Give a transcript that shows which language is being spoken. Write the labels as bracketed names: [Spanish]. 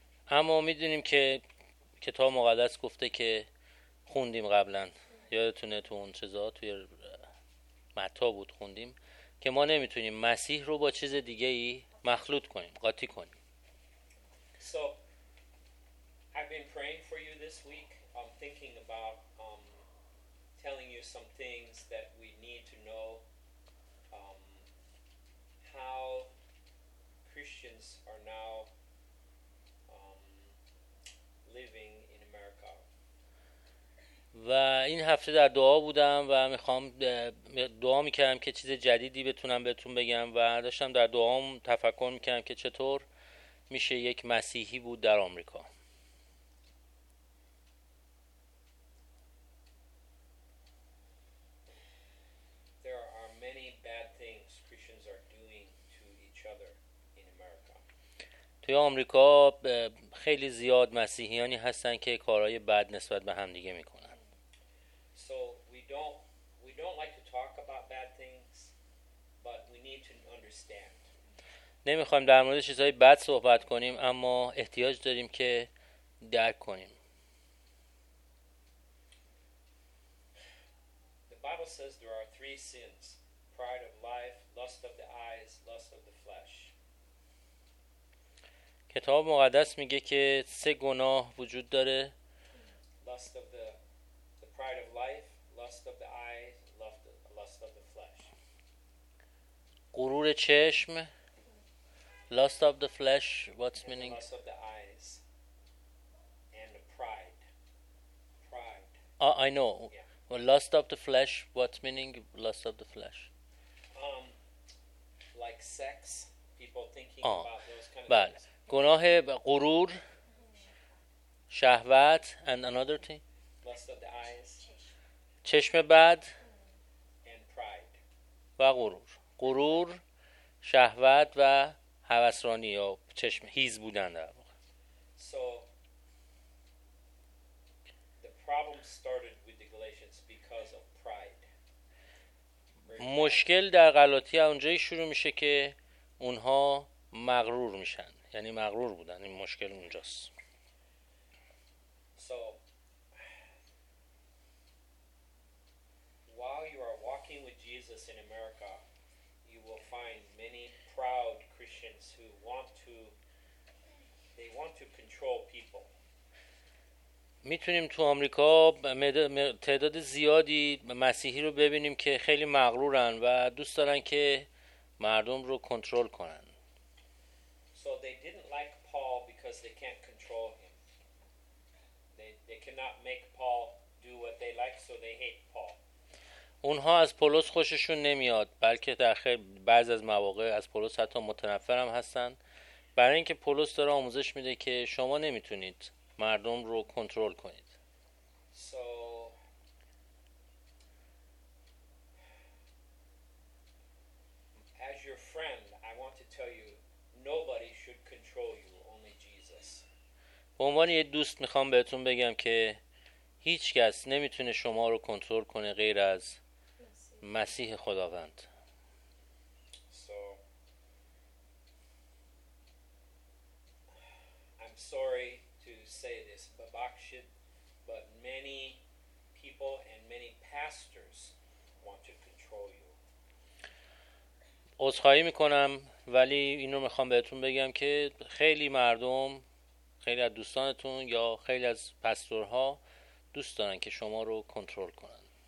[Persian] اما میدونیم که کتاب مقدس گفته که خوندیم قبلا، یادتونه تو اون چیزا توی متی بود خوندیم که ما نمیتونیم مسیح رو با چیز دیگه ای مخلوط کنیم، قاطی کنیم. [English] So I've been praying for you this week. I'm thinking about telling you some things that we need to know how Christians are now living in America. [Persian] و این هفته در دعا بودم و میخوام دعا میکردم که چیز جدیدی بتونم بهتون بگم و داشتم در دعام تفکر میکردم که چطور میشه یک مسیحی بود در آمریکا. [English] There are many bad things Christians are doing to each other in America. [Persian] توی آمریکا خیلی زیاد مسیحیانی هستن که کارهای بد نسبت به هم دیگه میکنن. [English] So we don't like to talk about bad things, but we need to understand. [Persian] نمیخوایم در مورد چیزهای بد صحبت کنیم، اما احتیاج داریم که درک کنیم. [English] The Bible says there are three sins: pride of life, lust of the eyes, lust of the flesh. [Persian] کتاب مقدس میگه که سه گناه وجود داره. [English] Lust of the pride of life, lust of the eyes, lust of the flesh. [Persian] غرور چشم. [English] Lust of the flesh, what's meaning? Lust of the eyes and the pride. I know. Yeah. Well, lust of the flesh, what's meaning? Lust of the flesh. Like sex, people thinking about those kind of things. [Persian] گناه غرور، شهوت، [English] and another thing. Lust of the eyes. [Persian] چشم بد [English] and pride. [Persian] و غرور. غرور، شهوت و هوسرانی یا چشم هیز بودن در واقع. [English] So the problem started with the Galatians because of pride. [Persian] مشکل در غلاطی اونجایی شروع میشه که اونها مغرور میشن، یعنی مغرور بودن، این مشکل اونجاست. [English] So while you are walking with Jesus in America, you will find many proud Christians who want to control people. [Persian] میتونیم تو آمریکا تعداد زیادی مسیحی رو ببینیم که خیلی مغرورن و دوست دارن که مردم رو کنترل کنن. [English] So they didn't like Paul because they can't control him. They cannot make Paul do what they like, so they hate Paul. [Persian] اونها از پولس خوششون نمیاد، بلکه در بعضی از مواقع از پولس حتی متنفر هم هستن، برای اینکه پولس داره آموزش میده که شما نمیتونید مردم رو کنترل کنید. [English] So as your friend, I want to tell you nobody should control you, only Jesus. [Persian] به عنوان یه دوست میخوام بهتون بگم که هیچ کس نمیتونه شما رو کنترل کنه غیر از مسیح خداوند. [English] So I'm sorry to say this, but many people and many pastors want to control you. [Persian] عذرخواهی میکنم، ولی این رو میخوام بهتون بگم که خیلی مردم، خیلی از دوستانتون یا خیلی از پستورها دوست دارن که شما رو کنترل کنن.